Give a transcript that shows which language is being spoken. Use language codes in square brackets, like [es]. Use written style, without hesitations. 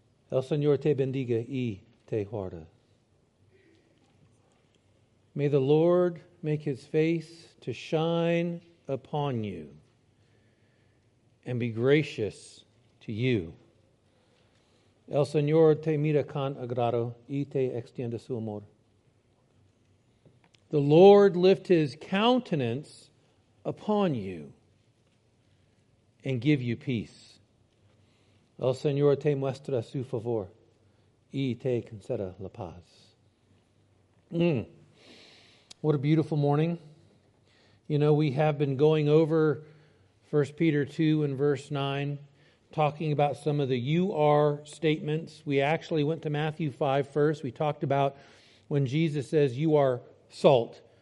[es] El Señor te bendiga y te guarda. [en] May the Lord make his face to shine upon you and be gracious to you. [es] El Señor te mira con agrado y te extiende su amor. [en] The Lord lift his countenance upon you and give you peace. [es] El Señor te muestra su favor y te concede la paz. [en] What a beautiful morning. You know, we have been going over 1 Peter 2 and verse 9, talking about some of the you are statements. We actually went to Matthew 5 first. We talked about when Jesus says you are salt.